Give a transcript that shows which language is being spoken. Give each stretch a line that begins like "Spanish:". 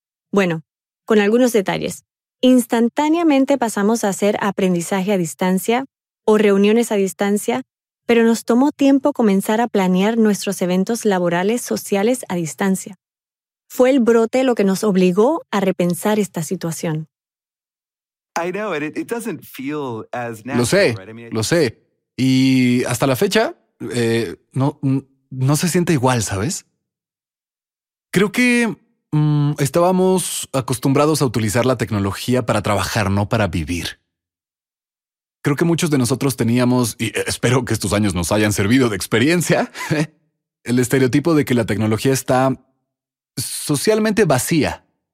Spanish: Bueno, con algunos detalles. Instantáneamente pasamos a hacer aprendizaje a distancia o reuniones a distancia, pero nos tomó tiempo comenzar a planear nuestros eventos laborales sociales a distancia. Fue el brote lo que nos obligó a repensar esta situación.
English: I know, and it doesn't feel as natural.
Spanish: Lo sé, lo sé. Y hasta la fecha, no se siente igual, ¿sabes? Creo que estábamos acostumbrados a utilizar la tecnología para trabajar, no para vivir. Creo que muchos de nosotros teníamos, y espero que estos años nos hayan servido de experiencia, el estereotipo de que la tecnología está socialmente vacía.